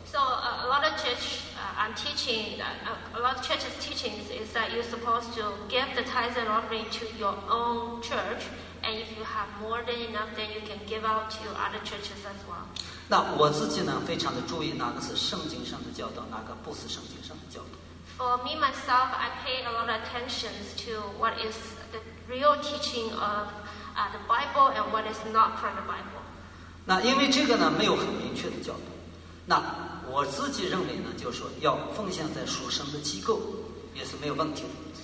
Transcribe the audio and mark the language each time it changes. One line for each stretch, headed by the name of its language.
English: So a lot of church a lot of churches teachings is that you're supposed to give the tithes and offering to your own church, and if you have more than enough, then you can give out to other churches as well.
Chinese: 那我自己呢，非常的注意哪个是圣经上的教导，哪个不是圣经上的教导。
English: For me myself, I pay a lot of attention to what is the real teaching of the Bible and what is not from the Bible.
Chinese: 那因为这个呢没有很明确的教导，那我自己认为呢，就是说要奉献在属神的机构也是没有问题的。